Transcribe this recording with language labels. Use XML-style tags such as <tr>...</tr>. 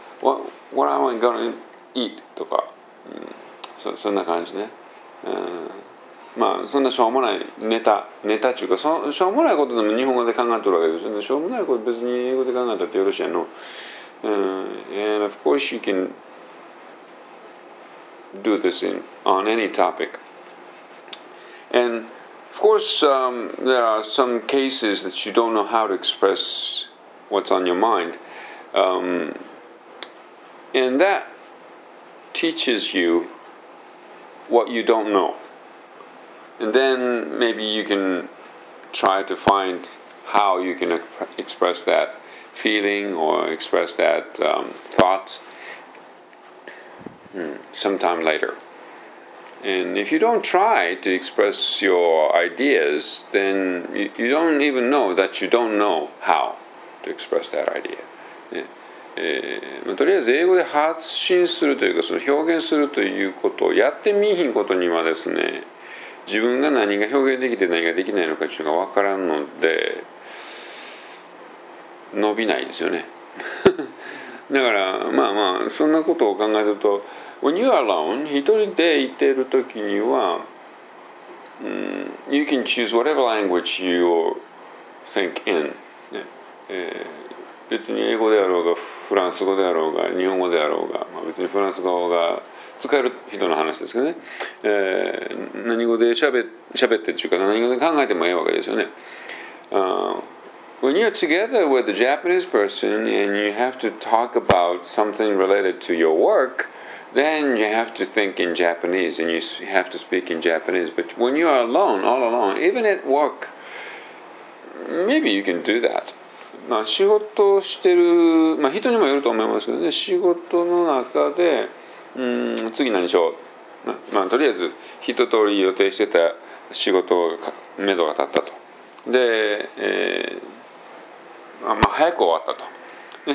<en>What am I going to eat?</en> <ja>とか、そんな感じね。まあそんなしょうもないネタっていうか、しょうもないことでも日本語で考えてるわけですよね。しょうもないこと別に英語で考えたってよろしいの。</ja> <en>And of course you can. Do this on any topic, and of course there are some cases that you don't know how to express what's on your mind, and that teaches you what you don't know, and then maybe you can try to find how you can express that feeling or express that thought. Sometime later. And if you don't try to express your ideas, then you don't even know that you don't know how to express that idea.</en> <ja>とりあえず英語で発信するというか、その表現するということをやってみひんことにはですね、自分が何が表現できて何ができないのかというのが分からんので、伸びないですよね。だから、まあまあ、そんなことを考えると、</ja> <en>When you're alone,</en> <ja>一人でいてるときには、</ja> <en>you can choose whatever language you think in.、</en> <ja>別に英語であろうが、フランス語であろうが、日本語であろうが、まあ、別にフランス語が使える人の話ですけどね。何語で喋ってっていうか、何語で考えてもいいわけですよね。</ja> <en>When you're together with a Japanese person and you have to talk about something related to your work,Then you have to think in Japanese and you have to speak in Japanese. But when you are alone, all alone, even at work, maybe you can do that.</en> <ja>まあ仕事してる、まあ人にもよると思いますけどね、仕事の中で、次何しよう。まあとりあえず一通り予定してた仕事が目処が立ったと。で、まあ早く終わったと。</ja>